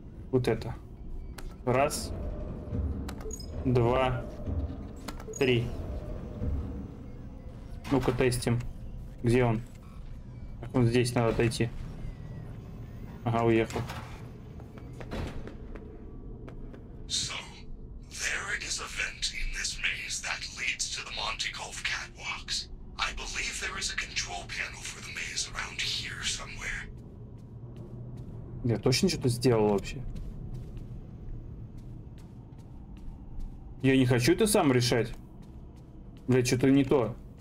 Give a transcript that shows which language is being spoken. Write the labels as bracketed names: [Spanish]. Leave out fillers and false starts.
[Russian] Вот это. Раз. Два. Три. Ну-ка тестим. Где он? Так, вот здесь надо отойти. Ага, уехал. [English] So, there is a vent in this maze that leads to the Montikov catwalks. I believe there is a control panel for the maze around here somewhere. [Russian] Я точно что-то сделал вообще? Я не хочу это сам решать. Бля, что-то не то.